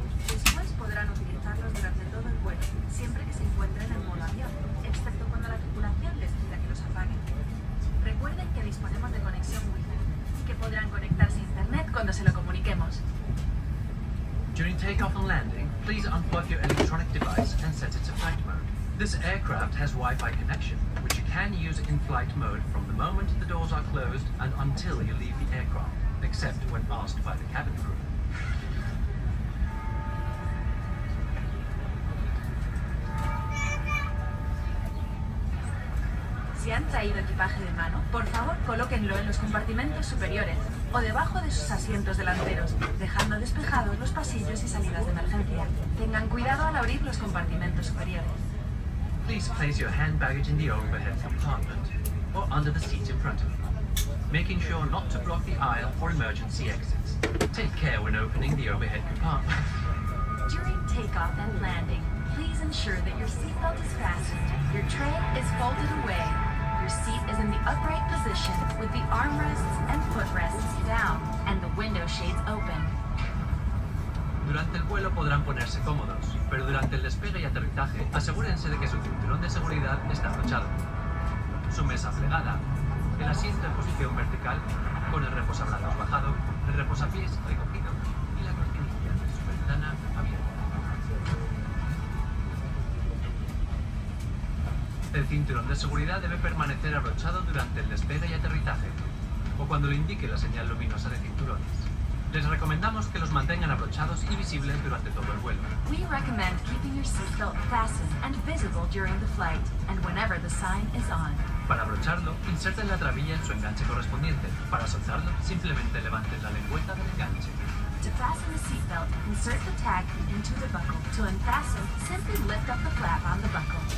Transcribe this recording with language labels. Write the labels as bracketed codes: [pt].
[es] Sus fans podrán utilizarlos durante todo el vuelo, siempre que se encuentren en modo avión, excepto cuando la tripulación les pida que los apaguen. Recuerden que disponemos de conexión Wi-Fi y que podrán conectarse a internet cuando se lo comuniquemos. [en] During takeoff and landing, please unplug your electronic device and set it to flight mode. This aircraft has Wi-Fi connection, which you can use in flight mode from the moment the doors are closed and until you leave the aircraft, except when asked by the cabin crew. [es] Si han traído equipaje de mano, por favor colóquenlo en los compartimentos superiores o debajo de sus asientos delanteros, dejando despejados los pasillos y salidas de emergencia. Tengan cuidado al abrir los compartimentos superiores. [en] Please place your hand baggage in the overhead compartment or under the seat in front of you, making sure not to block the aisle or emergency exits. Take care when opening the overhead compartment. During takeoff and landing, please ensure that your seatbelt is fastened, your tray is folded away, your seat is in the upright position with the armrests and footrests down and the window shades open. [es] Durante el vuelo podrán ponerse cómodos, pero durante el despegue y aterrizaje, asegúrense de que su cinturón de seguridad está abrochado, su mesa plegada, el asiento en posición vertical, con el reposabrazos bajado, el reposapiés recogido y la cortinilla de su ventana abierta. El cinturón de seguridad debe permanecer abrochado durante el despegue y aterrizaje, o cuando le indique la señal luminosa de cinturones. Les recomendamos que los mantengan abrochados y visibles durante todo el vuelo. [en] We recommend keeping your seatbelt fastened and visible during the flight and whenever the sign is on. [es] Para abrocharlo, inserten la trabilla en su enganche correspondiente. Para soltarlo, simplemente levanten la lengüeta del enganche. [en] To fasten the seatbelt, insert the tag into the buckle. To unfasten, simply lift up the flap on the buckle.